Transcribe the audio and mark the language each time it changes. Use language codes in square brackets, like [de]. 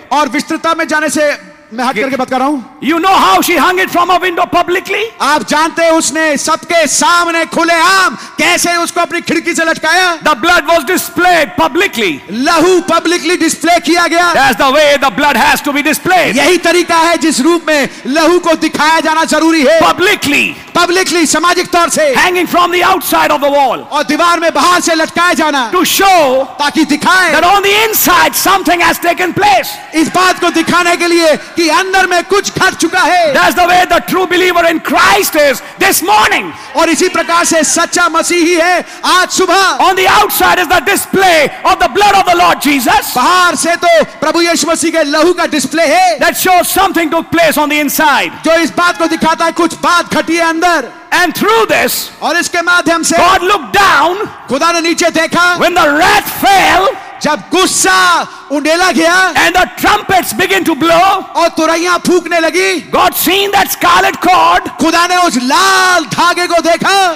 [hi] और विस्तृतता में जाने से मैं हट करके बात कर रहा हूँ. [en] You know how she hung it from a window publicly? [hi] आप जानते हैं उसने सबके सामने खुलेआम कैसे उसको अपनी खिड़की से लटकाया? [en] The blood was displayed publicly. [hi] लहू [en] publicly display [hi] किया गया. [en] That's the way the blood has to be displayed. [hi] यही तरीका है जिस रूप में लहू को दिखाया जाना जरूरी है. [en] Publicly. [hi] Publicly, सामाजिक तौर से [en] hanging from the outside of the wall, [hi] और दीवार में बाहर से लटकाया जाना [en] to show [hi] ताकि दिखाए [en] that on the inside something has taken place, [hi] इस बात को दिखाने के लिए कि अंदर में कुछ घट चुका है [en] that's the way the true believer in Christ is this morning, [hi] और इसी प्रकार से सच्चा मसीही है आज सुबह [en] on the outside is the display of the blood of the Lord Jesus, [hi] बाहर से तो प्रभु यीशु मसीह के लहू का डिस्प्ले है [en] that shows something took place on the inside, [hi] जो इस बात को दिखाता है कुछ बात घटी है [en] And through this, [hi] और इसके माध्यम से [en] God looked down, [hi] खुदा ने नीचे देखा, [en] when the wrath fell, [hi] जब गुस्सा उंडेला गया, [en] and the trumpets begin to blow, [hi] और तुरहियां फूंकने लगी, [en] God seen that scarlet cord, [hi] खुदा ने उस लाल धागे को देखा,